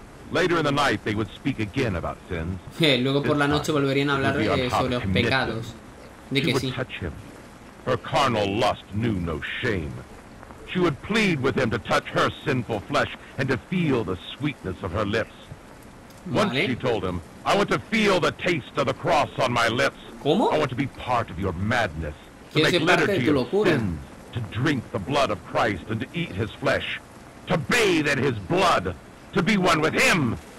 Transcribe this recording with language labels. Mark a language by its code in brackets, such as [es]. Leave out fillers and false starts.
[en] Later in the night they would speak again about sins. [es] Luego por la noche volverían a hablar sobre los pecados. De que sí. [en] Her carnal lust knew no shame. She would plead with him to touch her sinful flesh and to feel the sweetness of her lips. Once, [es] vale. [en] She told him, I want to feel the taste of the cross on my lips. [es] ¿Cómo? [en] I want to be part of your madness, to make liturgy of sins, to drink the blood of Christ and to eat his flesh, to bathe in his blood, to be one with him.